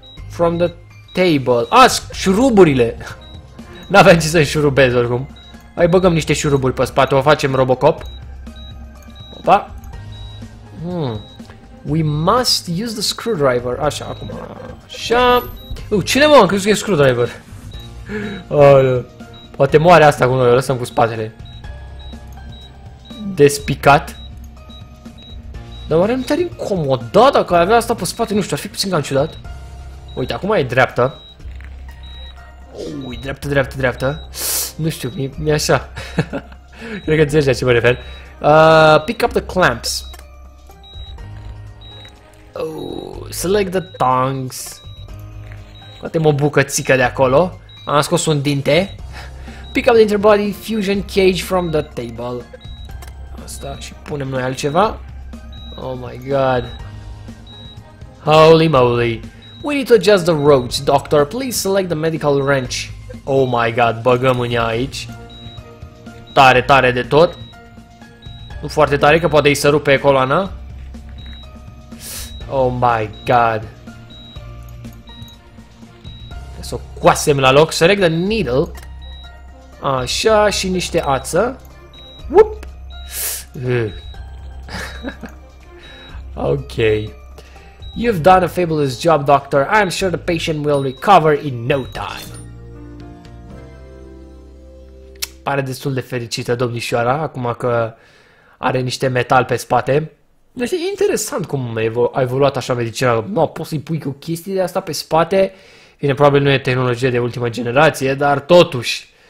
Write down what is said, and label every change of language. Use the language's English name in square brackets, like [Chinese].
[English] From the table. [Romanian] Șuruburile. N-aveam ce să înșurubez oricum. Hai băgăm niște șuruburi pe spate, o facem Robocop. Opa. [English] We must use the screwdriver. [Romanian] Așa, acum. Așa. Cine mă, am crezut că e screwdriver. Poate moare asta cu noi, o lăsăm cu spatele. Despicat. Dar oare nu te-ar incomoda dacă ai avea asta pe spate? Nu știu, ar fi puțin cam ciudat. Uite, acum e dreaptă. Ui, dreaptă, dreaptă, dreaptă. Nu știu, mi-e așa. Cred că înțelegi la ce mă refer. [English] Pick up the clamps. Select the tongs. [Romanian] Poate o bucățică de acolo. Am scos un dinte. [English] Pick up the interbody fusion cage from the table. [Romanian] Asta și punem noi altceva. [English] Oh my god. Holy moly. We need to adjust the roads, doctor. Please select the medical wrench. Oh my god, [Romanian] băgăm în ea aici. Tare, tare de tot. Nu foarte tare, că poate îi să rupe coloana. [English] Oh my god. [Romanian] Trebuie să o coasem la loc. [English] Select the needle. [Romanian] Așa, și niște ață. Whoop. Ok. [English] You've done a fabulous job, doctor. I'm sure the patient will recover in no time. [Romanian] Pare destul de fericită domnișoara, acum că are niște metal pe spate. Este interesant cum a evoluat așa medicina. Nu, poți să-i pui cu chestii de asta pe spate? Bine, probabil nu e tehnologie de ultimă generație, dar totuși.